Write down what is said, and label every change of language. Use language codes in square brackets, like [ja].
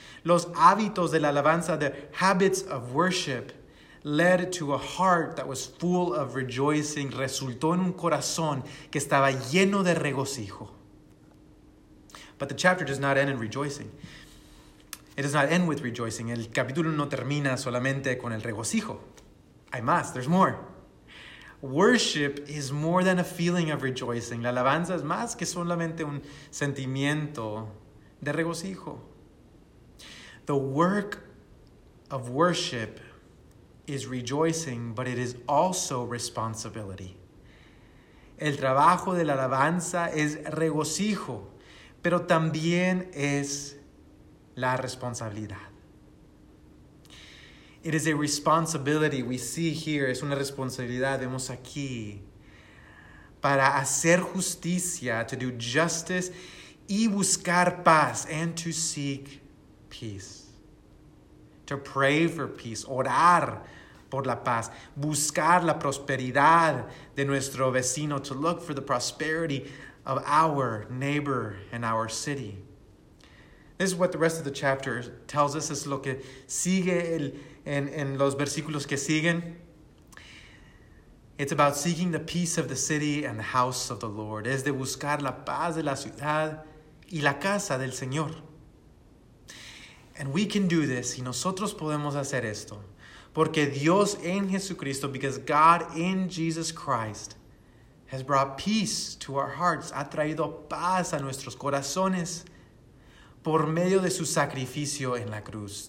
[es] Los hábitos de la alabanza, [en] the habits of worship, led to a heart that was full of rejoicing, [es] resultó en un corazón que estaba lleno de regocijo. [en] But the chapter does not end in rejoicing. It does not end with rejoicing. [es] El capítulo no termina solamente con el regocijo. Hay más, [en] there's more. Worship is more than a feeling of rejoicing. [es] La alabanza es más que solamente un sentimiento de regocijo. [en] The work of worship is rejoicing, but it is also responsibility. [es] El trabajo de la alabanza es regocijo, pero también es la responsabilidad. [en] It is a responsibility, we see here, [es] es una responsabilidad, vemos aquí, para hacer justicia, [en] to do justice, [es] y buscar paz, [en] and to seek peace. To pray for peace, [es] orar por la paz. Buscar la prosperidad de nuestro vecino. [en] To look for the prosperity of our neighbor and our city. This is what the rest of the chapter tells us. [es] Es lo que sigue en los versículos que siguen. [en] It's about seeking the peace of the city and the house of the Lord. [es] Es de buscar la paz de la ciudad y la casa del Señor. [en] And we can do this. [es] Y nosotros podemos hacer esto. Porque Dios en Jesucristo, [en] because God in Jesus Christ, has brought peace to our hearts. [es] Ha traído paz a nuestros corazones por medio de su sacrificio en la cruz.